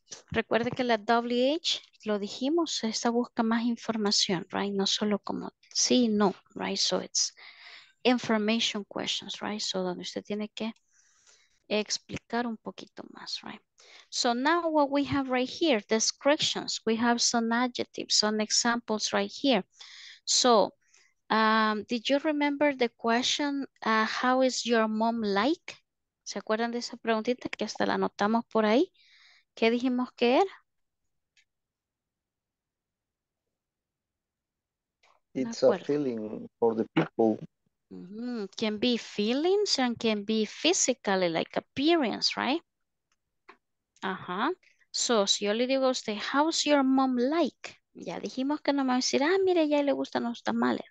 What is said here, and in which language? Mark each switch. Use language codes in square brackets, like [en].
[es] Recuerde que la WH, lo dijimos, esta busca más información, right? No solo como sí, no, [en] right? So, it's information questions, right? [es] So, donde usted tiene que explicar un poquito más, right? [en] So, now what we have right here, descriptions. We have some adjectives, some examples right here. So, did you remember the question, how is your mom like? [es] ¿Se acuerdan de esa preguntita que hasta la anotamos por ahí? ¿Qué dijimos que era? [en] It's a feeling for the people. Mm-hmm. Can be feelings and can be physically, like appearance, right? [es] Uh-huh. So, si yo le digo a usted, [en] how's your mom like? [es] Ya dijimos que no me va a decir, ah, mire, ya le gustan los tamales.